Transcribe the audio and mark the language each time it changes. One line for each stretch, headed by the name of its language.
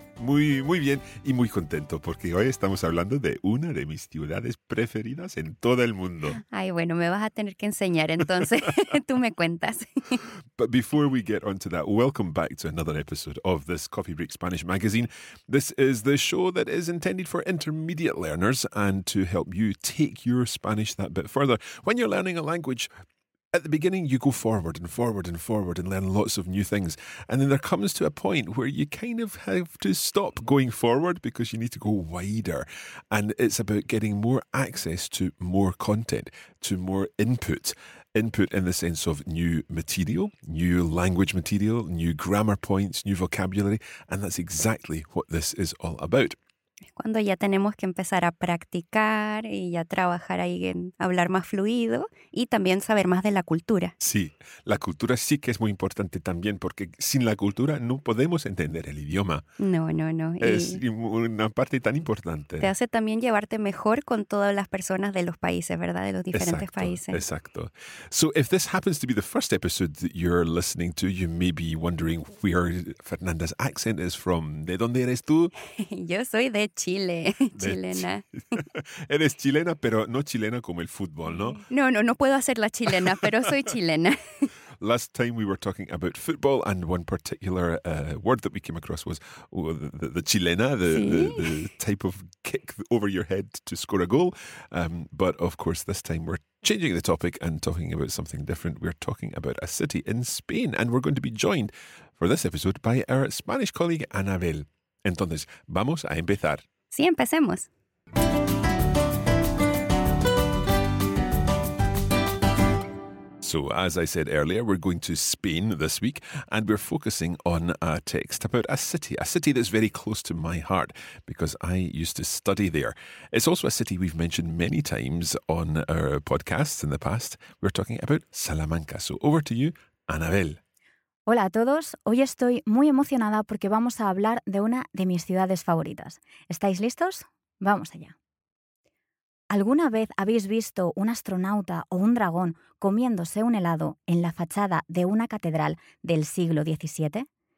Spanish: Muy, muy bien y muy contento porque hoy estamos hablando de una de mis ciudades preferidas en todo el mundo. Ay, bueno, me vas a tener que enseñar entonces. Tú me cuentas.
English: But before we get onto that, welcome back to another episode of this Coffee Break Spanish Magazine. This is the show that is intended for intermediate learners and to help you take your Spanish that bit further. When you're learning a language, at the beginning, you go forward and forward and forward and learn lots of new things. And then there comes to a point where you kind of have to stop going forward because you need to go wider. And it's about getting more access to more content, to more input. Input in the sense of new material, new language material, new grammar points, new vocabulary. And that's exactly what this is all about.
Spanish: Es cuando ya tenemos que empezar a practicar y ya trabajar ahí en hablar más fluido y también saber más de la cultura. Sí, la cultura sí que es muy importante también porque sin la cultura no podemos entender el idioma. No. Es y una parte tan importante. Te hace también llevarte mejor con todas las personas de los países, ¿verdad? De los diferentes exacto, países. Exacto.
English: So if this happens to be the first episode that you're listening to, you may be wondering where Fernanda's accent is from.
Spanish: ¿De dónde eres tú? Yo soy de Chile, chilena. Eres chilena, pero no chilena como el fútbol, ¿no? No puedo hacer la chilena, pero soy chilena.
English: Last time we were talking about football and one particular word that we came across was the chilena, the type of kick over your head to score a goal. But of course, this time we're changing the topic and talking about something different. We're talking about a city in Spain and we're going to be joined for this episode by our Spanish colleague, Anabel.
Spanish: Entonces, vamos a empezar. Sí, empecemos.
English: So, as I said earlier, we're going to Spain this week and we're focusing on a text about a city that's very close to my heart because I used to study there. It's also a city we've mentioned many times on our podcasts in the past. We're talking about Salamanca. So, over to you, Anabel.
Spanish: Hola a todos, hoy estoy muy emocionada porque vamos a hablar de una de mis ciudades favoritas. ¿Estáis listos? ¡Vamos allá! ¿Alguna vez habéis visto un astronauta o un dragón comiéndose un helado en la fachada de una catedral del siglo XVII?